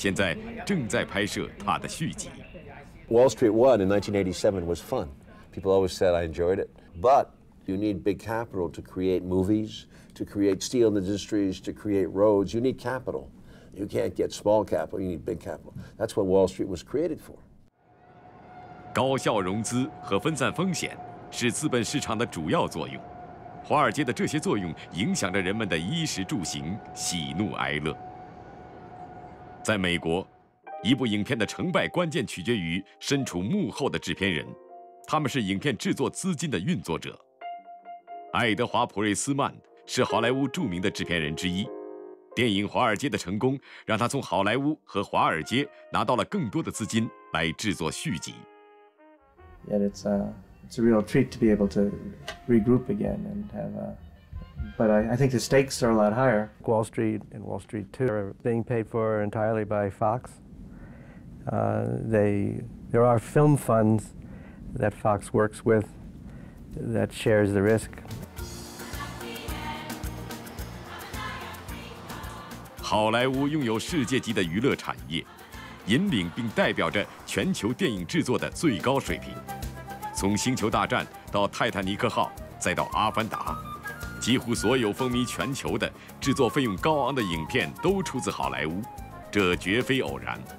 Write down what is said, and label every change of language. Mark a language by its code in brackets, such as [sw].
[en] Action！ [zh] 电影《华尔街》金钱永不眠重要拍摄场地就设在骑士公司的交易大厅。变形金刚的男主角拉伯夫变成了华尔街上的交易员。20多年前，美国著名导演奥利弗·斯通成功执导了好莱坞经典影片《华尔街》，现在正在拍摄他的续集。 [en] Wall Street One in 1987 was fun. People always said I enjoyed it, but you need big capital to create movies. To create steel industries, to create roads, you need capital. You can't get small capital, you need big capital. That's what Wall Street was created for. [zh] 高效融资和分散风险是资本市场的主要作用。华尔街的这些作用影响着人们的衣食住行、喜怒哀乐。在美国，一部影片的成败关键取决于身处幕后的制片人，他们是影片制作资金的运作者。爱德华·普瑞斯曼是好莱坞著名的制片人之一，电影《华尔街》的成功让他从好莱坞和华尔街拿到了更多的资金来制作续集。 [en] Yet it's a real treat to be able to regroup again and have but I think the stakes are a lot higher. Wall Street and Wall Street 2 are being paid for entirely by Fox. There are film funds that Fox works with that shares the risk. [zh] 好莱坞拥有世界级的娱乐产业，引领并代表着全球电影制作的最高水平。从《星球大战》到《泰坦尼克号》，再到《阿凡达》，几乎所有风靡全球的制作费用高昂的影片都出自好莱坞，这绝非偶然。